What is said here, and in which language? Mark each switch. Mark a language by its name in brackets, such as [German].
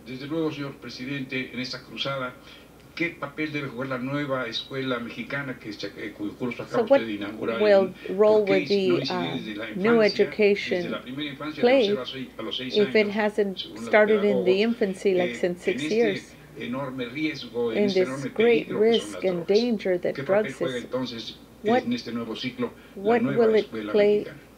[Spanish] Desde luego, señor presidente, en esta cruzada, ¿qué papel debe jugar la nueva escuela mexicana que cuyo curso acaba usted de inaugurar? [English] So what will role will be new education play if it hasn't started in the infancy, like since 6 years? [Spanish] Enorme riesgo, [English] in this great risk and danger that drugs is [Spanish] en este nuevo ciclo la nueva escuela mexicana.